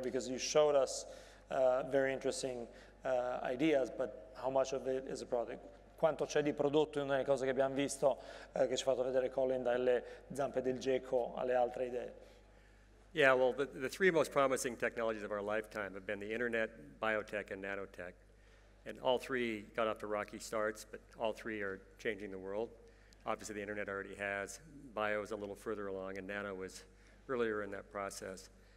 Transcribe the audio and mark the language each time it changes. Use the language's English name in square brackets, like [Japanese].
[English] Because you showed us very interesting ideas, but how much of it is a product? [Italian] Quanto c'è di prodotto in una delle cose che abbiamo visto, che ci ha fatto vedere Colin, dalle zampe del gecko alle altre idee? [English] Yeah, well, the three most promising technologies of our lifetime have been the internet, biotech, and nanotech. And all three got off to rocky starts, but all three are changing the world. Obviously, the internet already has. Bio is a little further along, and nano was earlier in that process.